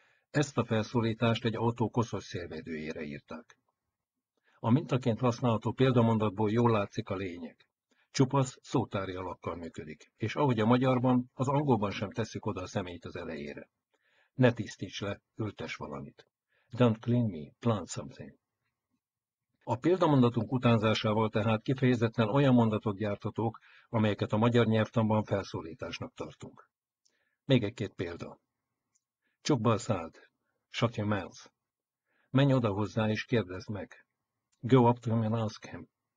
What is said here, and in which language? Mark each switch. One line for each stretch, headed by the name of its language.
Hungarian: Ezt a felszólítást egy autó koszos szélvédőjére írták. A mintaként használható példamondatból jól látszik a lényeg. Csupasz szótári alakkal működik, és ahogy a magyarban, az angolban sem tesszük oda a szemét az elejére. Ne tisztíts le, ültes valamit.
English: Don't clean me, plant something.
Hungarian: A példamondatunk utánzásával tehát kifejezetten olyan mondatot gyártatok, amelyeket a magyar nyelvtanban felszólításnak tartunk. Még egy-két példa. Csukd be a szád.
English: Shut your mouth.
Hungarian: Menj oda hozzá és kérdezd meg.
English: Go up to him and ask him.